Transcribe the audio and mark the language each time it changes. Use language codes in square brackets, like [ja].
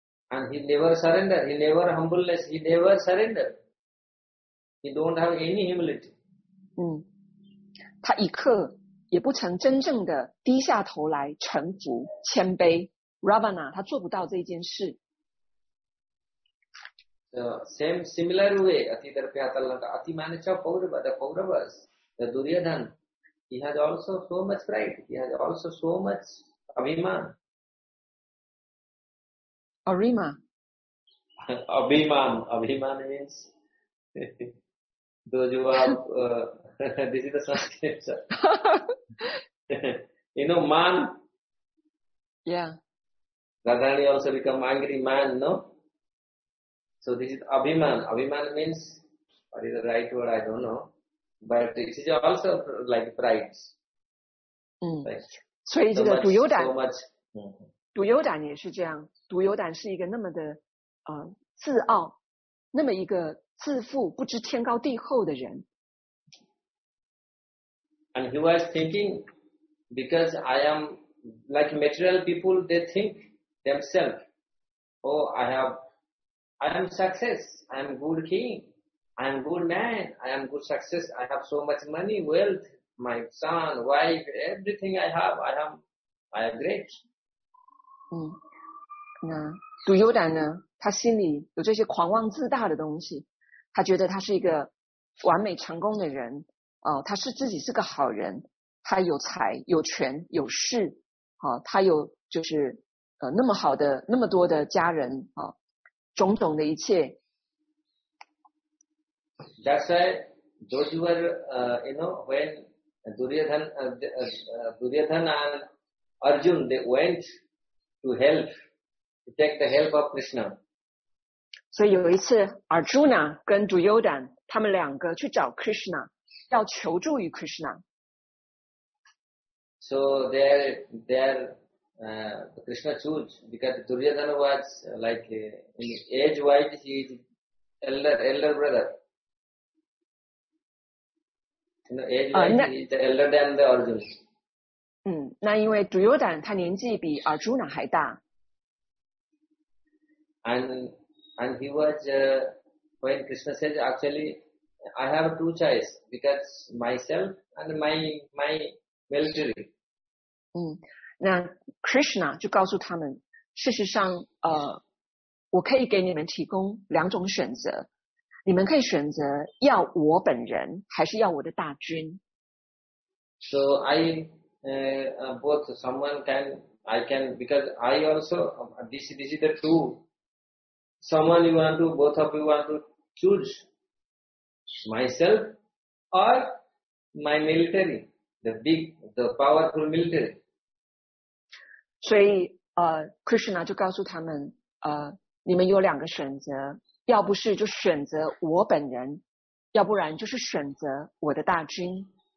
[en] And he never surrender. He never humbleness. He never surrender. He don't have any humility. [zh] 他一刻也不曾真正的低下头来臣服谦卑。 Ravana 他做不到这件事。 [en] The same similar way, Ati Darpyatalanta, Ati Manicha Pauravas, the Pauravas, the Duryodhan, he has also so much pride, he has also so much Abhiman. Arima. Abhiman. Abhiman means those who have, this is the Sanskrit, sir. You know, man. Yeah. Radhani also become angry man, no? So this is Abhiman. Abhiman means, what is the right word, I don't know. But this is also like pride. Right. [zh] 所以这个独有胆，独有胆也是这样。独有胆是一个那么的自傲，那么一个自负，不知天高地厚的人。 [en] And he was thinking, because I am like material people, they think themselves, oh, I am success. I am good king. I am good man. I am good success. I have so much money, wealth, my son, wife, everything I have. I am great. [zh] 那杜优丹呢？他心里有这些狂妄自大的东西。他觉得他是一个完美成功的人。他是自己是个好人。他有财、有权、有势。他有就是那么好的、那么多的家人。种种的一切。 [en] That's why those who were, when Duryodhan and Arjun, they went to help, to take the help of Krishna. [zh] 所以有一次 Arjuna 跟 Duryodhan 他们两个去找 Krishna, 要求助于 Krishna. [en] So they're,Krishna chose, because Duryodhana was like, in age-wise, he is elder brother. Age-wise, he is elder than the Arjuna. [zh] 那因为 Duryodhana 他年纪比 Arjuna 还大。 [en] And he was, when Krishna said, actually, I have two choices, because myself and my military. [zh] 那 Krishna 就告诉他们，事实上，我可以给你们提供两种选择，你们可以选择要我本人，还是要我的大军。 [en] So I, both someone can, I can, because I also, this is the two. Someone you want to, both of you want to choose myself or my military, the big, the powerful military. [zh] 所以Krishna 就告诉他们你们有两个选择，要不是就选择我本人，要不然就是选择我的大军。